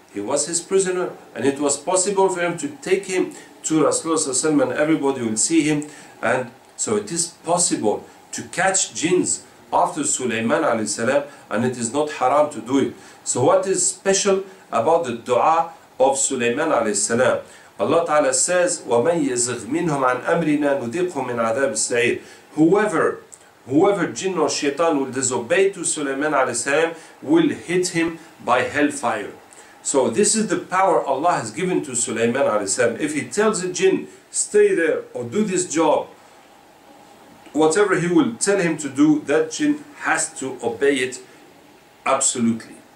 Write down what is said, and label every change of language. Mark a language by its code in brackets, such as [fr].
[en] He was his prisoner, and it was possible for him to take him to Rasulullah, and everybody will see him. And so it is possible to catch jinns after Sulaiman alayhi salam, and it is not haram to do it. So what is special about the dua of Sulaiman alayhi salam? Allah Ta'ala says, [ar] وَمَنْ يَزِغْ مِنْهُمْ عَنْ أَمْرِنَا نُدِقْهُمْ مِنْ عَذَابِ السَّعِيرِ. [en] Whoever jinn or shaitan will disobey to Sulaiman alayhi salam, will hit him by hellfire. So this is the power Allah has given to Sulaiman alayhi salam. If he tells a jinn, stay there or do this job, whatever he will tell him to do, that jinn has to obey it absolutely.